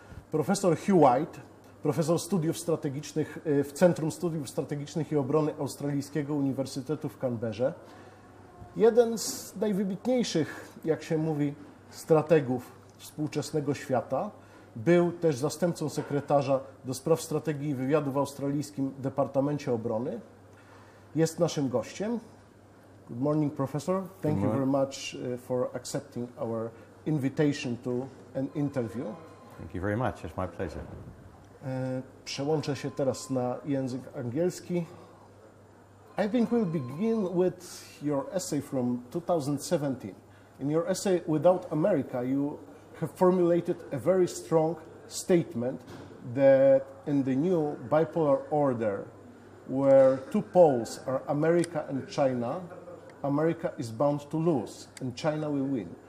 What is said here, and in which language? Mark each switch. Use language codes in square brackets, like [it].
[pl] Profesor Hugh White, profesor studiów strategicznych w Centrum Studiów Strategicznych i Obrony Australijskiego Uniwersytetu w Canberrze. Jeden z najwybitniejszych, jak się mówi, strategów współczesnego świata. Był też zastępcą sekretarza do spraw strategii i wywiadu w australijskim Departamencie Obrony. Jest naszym gościem. [en] Good morning, Professor. Thank you very much for accepting our invitation to an interview. Thank you very much. It's my pleasure. [pl] Przełączę się teraz na język angielski. [en] I think we'll begin with your essay from 2017. In your essay, Without America, you have formulated a very strong statement that in the new bipolar order, where two poles are America and China, America is bound to lose and China will win.